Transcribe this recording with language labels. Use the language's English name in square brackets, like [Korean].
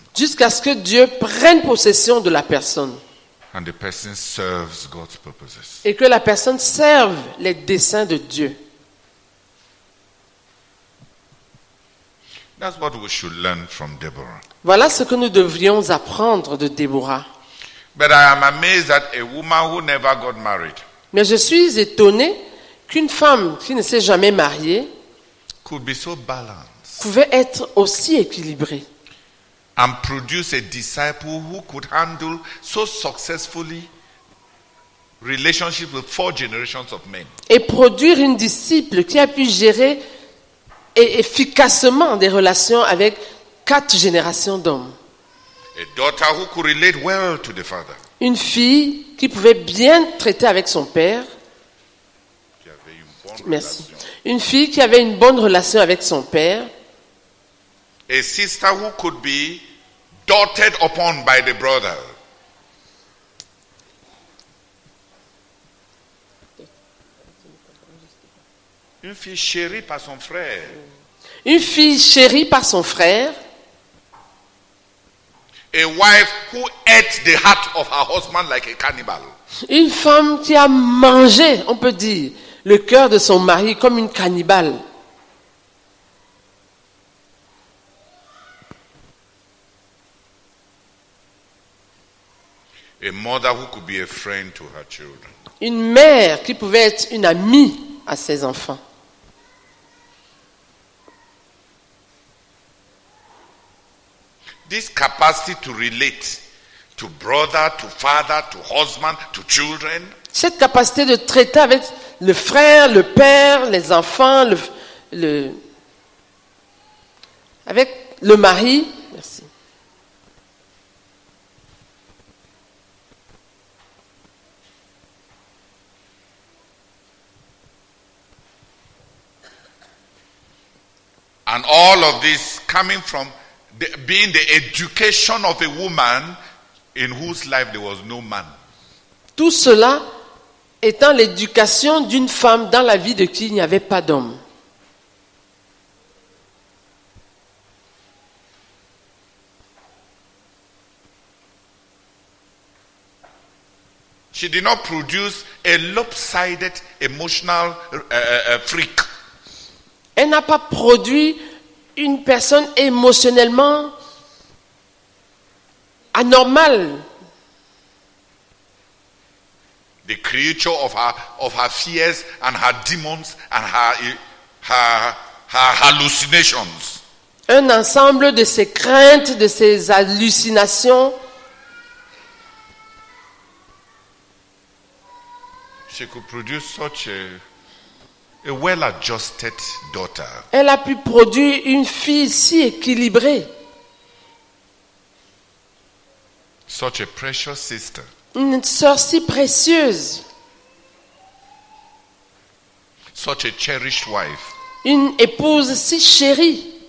[French] Jusqu'à ce que Dieu prenne possession de la personne. [English] And the person serves God's purposes. [French] Et que la personne serve les desseins de Dieu. [English] That's what we should learn from Deborah. [French] Voilà ce que nous devrions apprendre de Deborah. [English] But I am amazed that a woman who never got married. [French] Mais je suis étonné qu'une femme qui ne s'est jamais mariée [English] could be so balanced. [French] Pouvait être aussi équilibrée. [English] and produce a disciple who could handle so successfully relationship with four generations of men. [French] Et produire une disciple qui a pu gérer efficacement des relations avec quatre générations d'hommes. [English] A daughter who could relate well to the father. [French] Une fille qui pouvait bien traiter avec son père. Qui avait une bonne relation. Une fille qui avait une bonne relation avec son père. [English] A sister who could be doted upon by the brother. [French] Une fille chérie par son frère. Une fille chérie par son frère. [English] A wife who ate the heart of her husband like a cannibal. [French] Une femme qui a mangé, on peut dire, le cœur de son mari comme une cannibale. [English] A mother who could be a friend to her children. [French] Une mère qui pouvait être une amie à ses enfants. [English] This capacity to relate to brother, to father, to husband, to children. [French] Cette capacité de traiter avec le frère, le père, les enfants, le avec le mari. Merci. [English] And all of this coming from being the education of a woman in whose life there was no man. [French] Tout cela étant l'éducation d'une femme dans la vie de qui il n'y avait pas d'homme. [English] She did not produce a lopsided emotional freak. [French] Elle n'a pas produit une personne émotionnellement anormale. [English] The creature of her fears and her demons and her hallucinations. [French] Un ensemble de ses craintes, de ses hallucinations. [English] She could produce such a well-adjusted daughter. [French] Elle a pu produire une fille si équilibrée. [English] Such a precious sister. [French] Une sœur si précieuse. [English] Such a cherished wife. [French] Une épouse si chérie.